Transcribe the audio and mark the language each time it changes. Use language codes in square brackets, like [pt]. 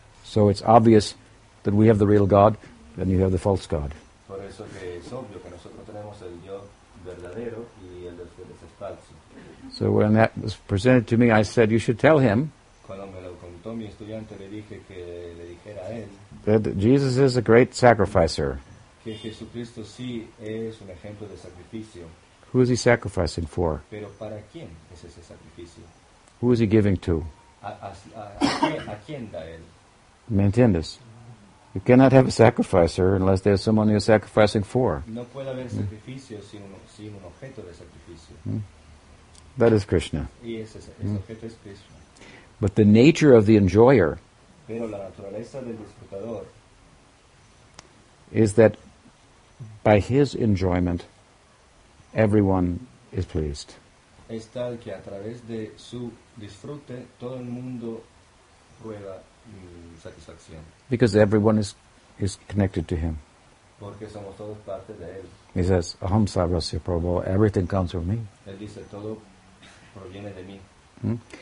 [en] So it's obvious that we have the real God, then you have the false God. [es] Por eso que es obvio que nosotros tenemos el Dios verdadero y el de ustedes es falso. [en] So when that was presented to me, I said, you should tell him [es] cuando me lo contó mi estudiante, le dije que le dijera a él [en] that Jesus is a great sacrificer. [es] Que Jesucristo sí es un ejemplo de sacrificio. [en] Who is he sacrificing for? [es] Pero para quién es ese sacrificio? [en] Who is he giving to? [es] A quién da él? ¿Me entiendes? [en] You cannot have a sacrificer unless there's someone you're sacrificing for. [es] No puede haber sacrificio sin un objeto de sacrificio. [en] That is Krishna. [es] Y ese objeto es Krishna. [en] But the nature of the enjoyer, [es] pero la naturaleza del disfrutador, [en] is that by his enjoyment, everyone is pleased. [es] Es tal que a través de su disfrute, todo el mundo prueba satisfacción. [en] Because everyone is connected to him. [es] Porque somos todos parte de él. [en] He says, [sa] Aham Sarvasya Prabhu, [en] everything comes from me. [es] Él dice, todo proviene de mí.